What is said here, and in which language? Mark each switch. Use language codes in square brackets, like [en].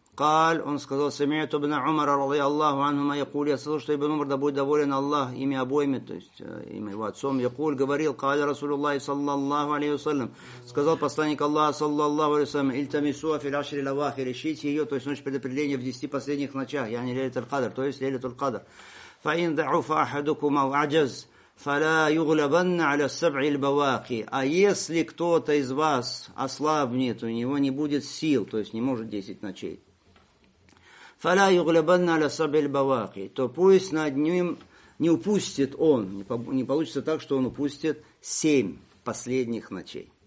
[ru] قال, он сказал, [ar] самиат ибн Умара, ради Аллаху анхума, [ru] якул, я слышал, что ибн Умар, да будет доволен Аллах ими обоими, то есть ими его отцом, якул, говорил, [ar] قال رسول الله صلى الله عليه وسلم, [ru] сказал посланник Аллаха, صلى الله عليه وسلم, [ar] التمسوا في العشر الأواخر, [ru] ищите ее, то есть ночь предопределения в 10 последних ночах, [ar] يعني ليلة القدر, [ru] то есть ليلة القدر. [ar] فإن ضعف أحدكم أو عجز, فلا يغلبن على السبع البواقي. [ru] А если кто-то из вас ослабнет, у него не будет сил, то есть не может 10 ночей. [ar] فَلَا يُغْلَبَنَّ عَلَى سَبْعِ الْبَوَاقِ, [ru] то пусть над ним не упустит он, не получится так, что он упустит семь последних ночей.